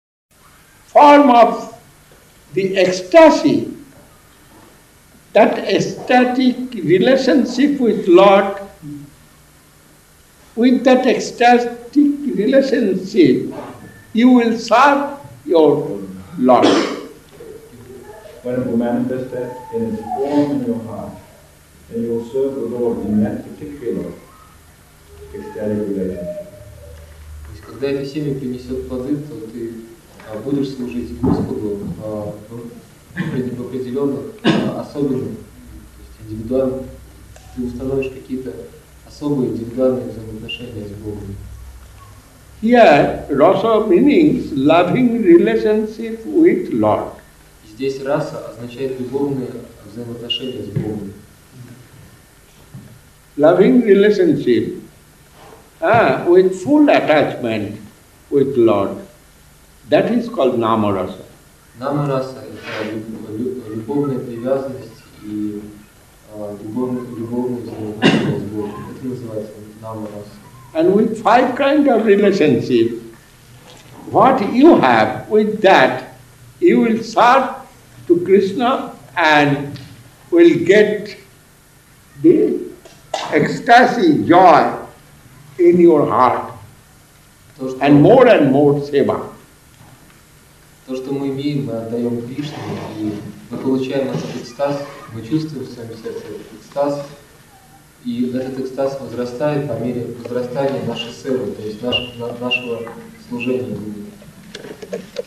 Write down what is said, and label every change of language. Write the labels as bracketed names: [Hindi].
[English] form of the ecstasy, that ecstatic relationship with Lord, with that ecstatic relationship, you will serve your Lord. When it will manifest that in its form in your heart, then you will serve the Lord in that particular ecstatic relationship. [Russian] Будешь служить Господу в определенных особенных, то есть индивидуально, ты установишь какие-то особые индивидуальные взаимоотношения с Богом. [English] Here rasa means loving relationship with Lord. [Russian] Здесь раса означает любовные взаимоотношения с Богом. [English] Loving relationship with full attachment with Lord. That is called Namarasa. [Russian] Namarasa – это любовная привязанность и любовные взаимоотношения с Богом. Это называется Namarasa. [English] And with five kinds of relationship, what you have with that, you will serve to Krishna and will get the ecstasy, joy in your heart, and more seva. [Russian] То, что мы имеем, мы отдаем Кришне, и мы получаем этот экстаз, мы чувствуем в своем сердце этот экстаз, и этот экстаз возрастает по мере возрастания нашей севы, то есть нашего служения Богу.